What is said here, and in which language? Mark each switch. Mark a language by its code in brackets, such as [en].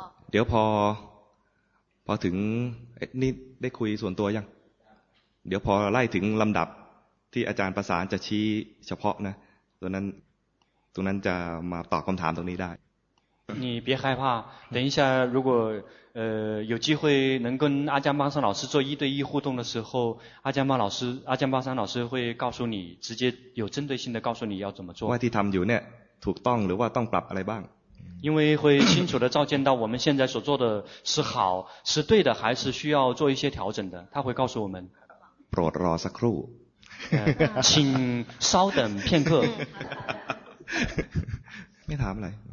[th] เดี๋ยวพอถึงนี่ได้คุยส่วนตัวยังเดี๋ยวพอไล่ถึงลำดับที่อาจารย์ประสานจะชี้เฉพาะนะตรงนั้นจะมาตอบคำถามตรงนี้ได้ [zh] 你别害怕等一下如果有机会能跟阿江巴山老师做一对一互动的时候阿江巴山老师会告诉你直接有针对性的告诉你要怎么做 [th] ว่าที่ทำอยู่เนี่ยถูกต้องหรือว่าต้องปรับอะไรบ้าง [zh] 因为会清楚的照见到我们现在所做的是好是对的还是需要做一些调整的他会告诉我们 [th] โปรดรอสักครู่ [zh] 请稍等片刻 [th] ไม่ถามอะไร